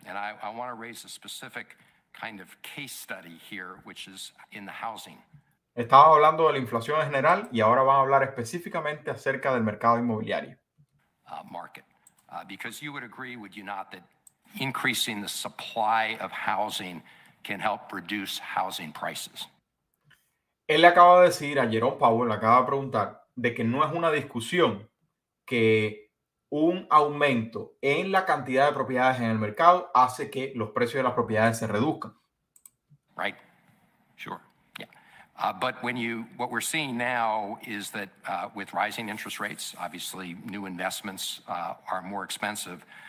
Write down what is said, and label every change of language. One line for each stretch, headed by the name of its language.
English: And I want to raise a specific kind of case study here, which is in the housing.
Spanish: Estaba hablando de la inflación en general y ahora van a hablar específicamente acerca del mercado inmobiliario.
English: Market. Because you would agree, would you not, that increasing the supply of housing can help reduce housing prices?
Spanish: Él le acaba de decir a Jerome Powell, le acaba de preguntar, de que no es una discusión que un aumento en la cantidad de propiedades en el mercado hace que los precios de las propiedades se reduzcan.
English: Right. Sure. But when you, what we're seeing now is that with rising interest rates, obviously new investments are more expensive.